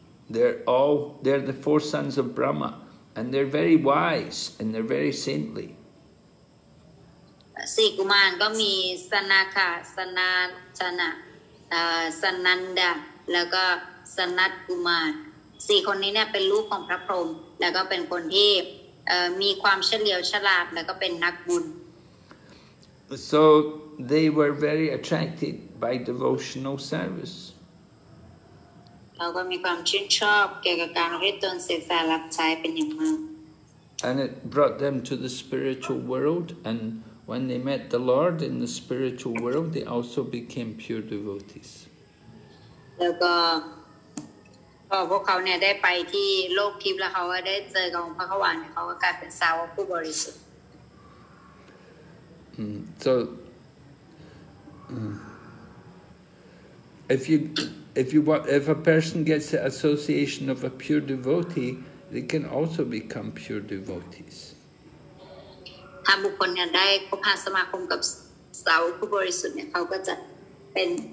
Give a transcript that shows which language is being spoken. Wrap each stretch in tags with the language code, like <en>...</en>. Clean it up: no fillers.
<en>They're the four sons of Brahma, and they're very wise and they're very saintly.</en> <th>Si Kumar ก็มี Sanaka, Sanat, Sanat, Sananda, แล้วก็Sanat Kumar. สี่คนนี้เนี่ยเป็นลูกของพระพรหมแล้วก็เป็นคนที่มีความเฉลียวฉลาดแล้วก็เป็นนักบุญ</th> <en>So they were very attracted by devotional service.</en> <th>เขาก็มีความชื่นชอบเกี่ยวกับการเรียนตนศึกษารับใช้เป็นอย่างมาก</th> <en>And it brought them to the spiritual world, and when they met the Lord in the spiritual world, they also became pure devotees.</en> <th>แล้วก็พอพวกเขาเนี่ยได้ไปที่โลกทิพย์แล้วเขาก็ได้เจอกับพระขวัญเขาก็กลายเป็นสาวกผู้บริสุทธิ์</th> <en>So if a person gets the association of a pure devotee, they can also become pure devotees.</en> <th>ถ้าบุคคลเนี่ยได้คบหาสมาคมกับสาวกผู้บริสุทธิ์เนี่ยเขาก็จะเป็น</th>